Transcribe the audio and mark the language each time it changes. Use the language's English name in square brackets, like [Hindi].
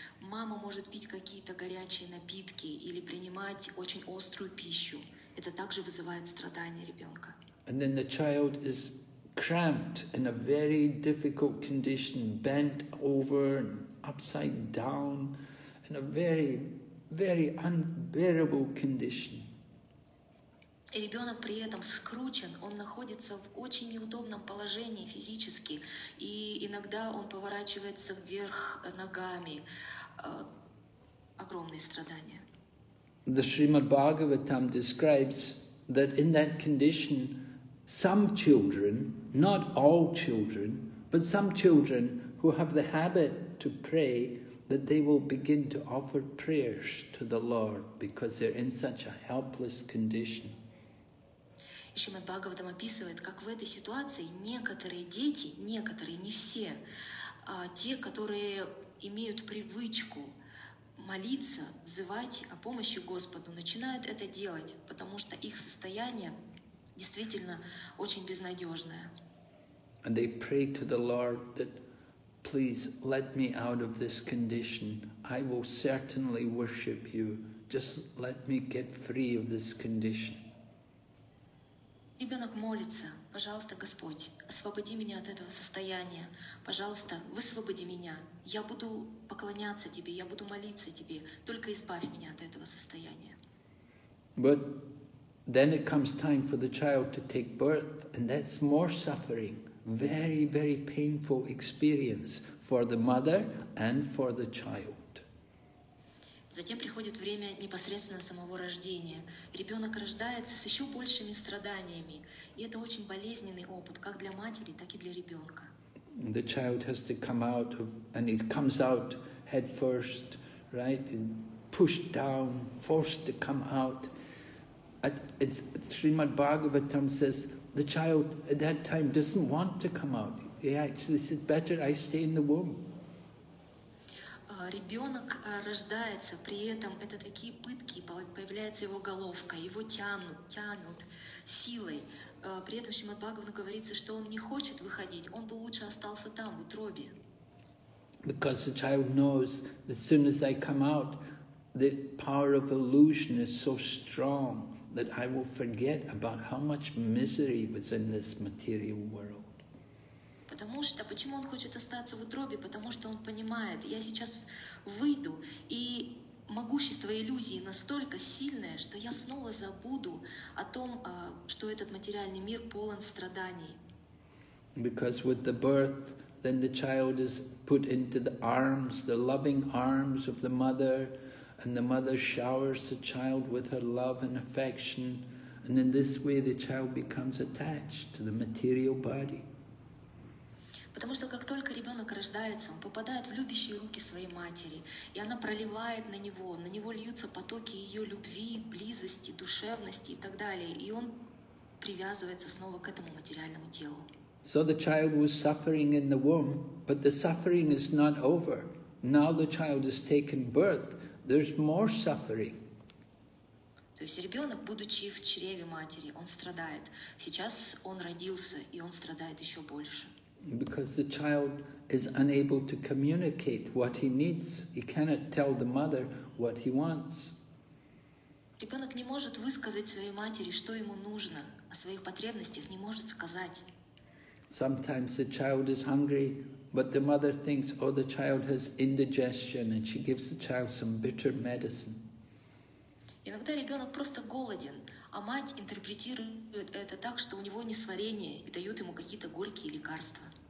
[Russian] Мама может пить какие-то горячие напитки или принимать очень острую пищу. Это также вызывает страдания ребенка. [English] And then the child is cramped in a very difficult condition, bent over and upside down, in a very, very unbearable condition. [Russian] И ребенок при этом скручен, он находится в очень неудобном положении физически, и иногда он поворачивается вверх ногами. Огромные страдания. [English] The Srimad Bhagavatam describes that in that condition, some children, not all children, but some children who have the habit to pray, that they will begin to offer prayers to the Lord because they're in such a helpless condition. [Russian] И Шримад Бхагаватам описывает, как в этой ситуации некоторые дети, некоторые, не все, те, которые имеют привычку молиться, взывать о помощи Господу, начинают это делать, потому что их состояние действительно очень безнадежное. [English] And they pray to the Lord that, please let me out of this condition. I will certainly worship you. Just let me get free of this condition. [Russian] Ребенок молится, пожалуйста, Господь, освободи меня от этого состояния, пожалуйста, высвободи меня, я буду поклоняться Тебе, я буду молиться Тебе, только избавь меня от этого состояния. [English] But Then it comes time for the child to take birth, and that's more suffering, very, very painful experience for the mother and for the child. [Russian] Затем приходит время непосредственно самого рождения. Ребенок рождается с еще большими страданиями. И это очень болезненный опыт, как для матери, так и для ребенка. [English] The child has to come out of, and it comes out head first, right? Pushed down, forced to come out. Srimad Bhagavatam says, the child at that time doesn't want to come out. He actually said, better I stay in the womb. [Russian] Ребенок рождается, при этом это такие пытки, появляется его головка, его тянут силой. При этом Шримад Бхагаватам говорится, что он не хочет выходить, он бы лучше остался там, в утробе. [English] Because the child knows that as soon as I come out, the power of illusion is so strong that I will forget about how much misery was in this material world. [Russian] Потому что, почему он хочет остаться в утробе? Потому что он понимает, я сейчас выйду, и могущество иллюзии настолько сильное, что я снова забуду о том, что этот материальный мир полон страданий. [English] Because with the birth, then the child is put into the arms, the loving arms of the mother, and the mother showers the child with her love and affection, and in this way the child becomes attached to the material body. [Russian] Потому что как только ребенок рождается, он попадает в любящие руки своей матери, и она проливает на него льются потоки ее любви, близости, душевности и так далее, и он привязывается снова к этому материальному телу. [English] So the child was suffering in the womb, but the suffering is not over. Now the child has taken birth, there's more suffering. [Russian] То есть ребенок, будучи в чреве матери, он страдает. Сейчас он родился, и он страдает еще больше. [English] Because the child is unable to communicate what he needs, he cannot tell the mother what he wants. [Russian] Ребенок не может высказать своей матери, что ему нужно, о своих потребностях не может сказать. [English] Sometimes the child is hungry, but the mother thinks, oh, the child has indigestion, and she gives the child some bitter medicine. [Russian] Иногда ребенок просто голоден, а мать интерпретирует это так, что у него несварение, и дает ему какие-то горькие лекарства.